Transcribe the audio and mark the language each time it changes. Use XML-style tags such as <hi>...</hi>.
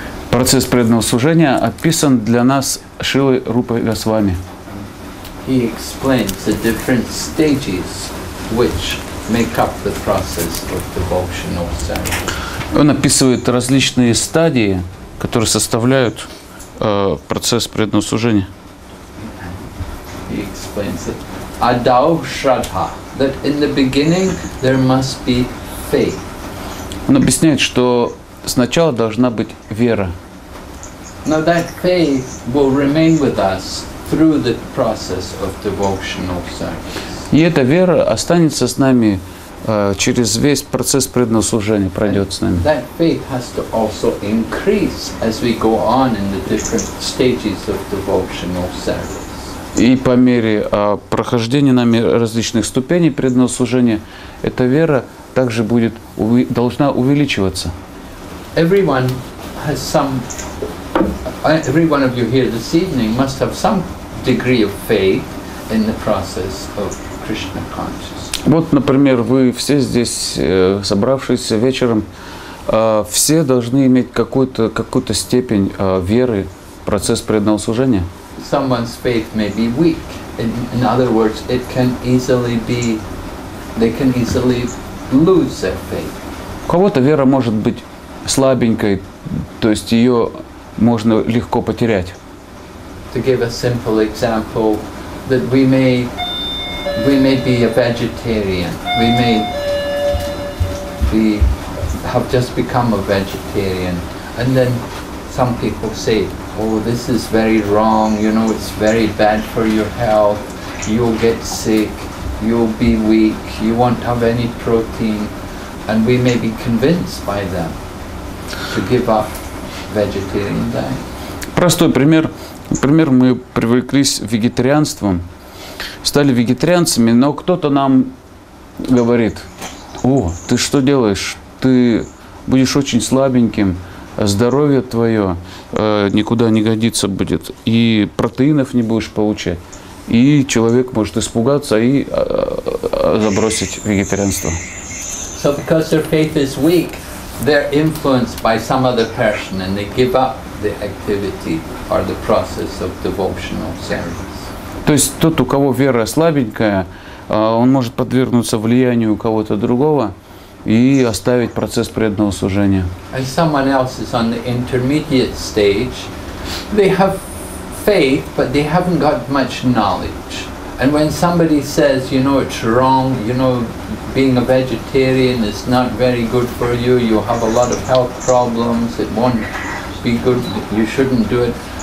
<ru>Процесс преданного служения описан для нас Шрилой Рупой Госвами.</ru> <en>He explains the different stages which make up the process of devotional service.</en> <ru>Он описывает различные стадии, которые составляют процесс преданного служения.</ru> <en>He explains it. Adau Shraddha, that in the beginning there must be faith.</en> <ru>Он объясняет, что сначала должна быть вера.</ru> <en>Now that faith will remain with us through the process of devotional service.</en> <ru>И эта вера останется с нами через весь процесс преданного служения, пройдет с нами.</ru> <en>That faith has to also increase as we go on in the different stages of devotional service.</en> <ru>И по мере прохождения нами различных ступеней преданного служения, эта вера также будет должна увеличиваться.</ru> <en>Everyone has some. Every one of you here this evening must have some degree of faith in the process of Krishna consciousness.</en> <ru>Вот, например, вы все здесь собравшиеся вечером, все должны иметь какую-то степень веры в процесс преданного служения.</ru> <en>Someone's faith may be weak. In other words, it can easily be, they can easily lose their faith.</en> <ru>У кого-то вера может быть слабенькой, то есть ее можно легко потерять.</ru> <en>To give a simple example, that we may be a vegetarian. We may be have just become a vegetarian, and then some people say, oh, this is very wrong, you know, it's very bad for your health, you'll get sick, you'll be weak, you won't have any protein, and we may be convinced by them to give up vegetarian diet.</en> <ru>Простой пример. Например, мы привыклись вегетарианством, стали вегетарианцами, но кто-то нам говорит, о, ты что делаешь? Ты будешь очень слабеньким. Здоровье твое никуда не годится будет, и протеинов не будешь получать, и человек может испугаться и забросить вегетарианство.</ru> <en>So because their faith is weak, they're influenced by some other person and they give up the activity or the process of devotional service.</en> <ru>То есть тот, у кого вера слабенькая, он может подвергнуться влиянию кого-то другого и оставить процесс преданного служения.</ru> <en>And someone else is on the intermediate stage. They have faith, but they haven't got much knowledge. And when somebody says, you know, it's wrong, you know, being a vegetarian is not very good for you, you have a lot of health problems, it won't be good, you shouldn't do it.</en>